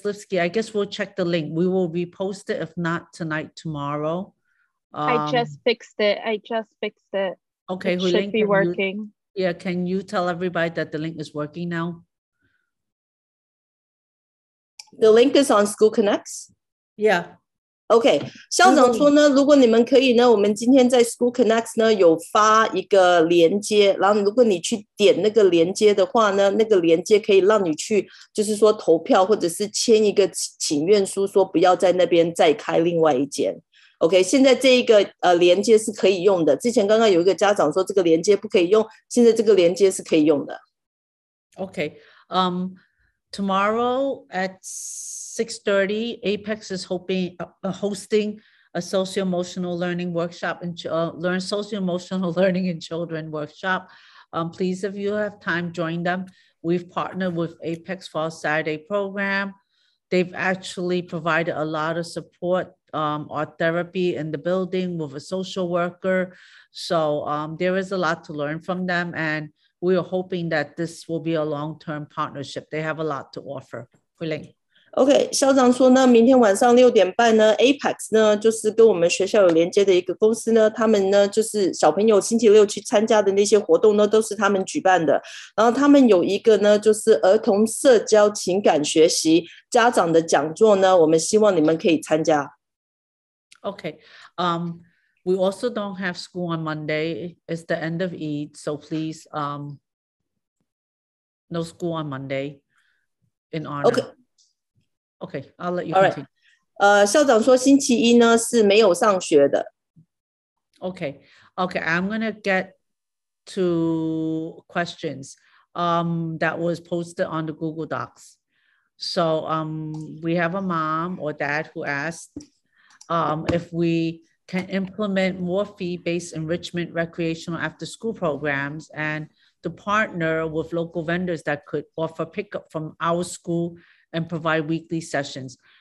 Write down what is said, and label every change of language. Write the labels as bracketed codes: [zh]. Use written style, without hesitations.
[en] Lipsky, I guess we'll check the link. We will repost it, if not tonight, tomorrow. I just fixed it. Okay, it should be working. Can you tell everybody that the link is working now? The link is on School Connects? Yeah. [zh] OK， 校长说呢，如果你们可以呢，我们今天在 School Connects 呢有发一个连接，然后如果你去点那个连接的话呢，那个连接可以让你去就是说投票或者是签一个请愿书，说不要在那边再开另外一间。 OK， 现在这一个连接是可以用的，之前刚刚有一个家长说这个连接不可以用，现在这个连接是可以用的。 [en] OK， tomorrow at 6:30, Apex is hoping, hosting a socio-emotional learning workshop, and learn socio-emotional learning in children workshop. Please, if you have time, join them. We've partnered with Apex for our Saturday program. They've actually provided a lot of support, our therapy in the building with a social worker. So there is a lot to learn from them. And we are hoping that this will be a long-term partnership. They have a lot to offer. Huiling. [zh] OK， 校长说呢，明天晚上6:30呢 ，Apex 呢就是跟我们学校有连接的一个公司呢，他们呢就是小朋友星期六去参加的那些活动呢，都是他们举办的。然后他们有一个呢，就是儿童社交情感学习家长的讲座呢，我们希望你们可以参加。 [en] OK， we also don't have school on Monday. It's the end of Eid, so please, no school on Monday in honor. OK. Okay, I'll let you continue. All right. [zh] 校长说星期一呢是没有上学的。 [en] Okay, I'm going to get to questions that was posted on the Google Docs. So we have a mom or dad who asked if we can implement more fee-based enrichment recreational after-school programs and to partner with local vendors that could offer pickup from our schooland provide weekly sessions.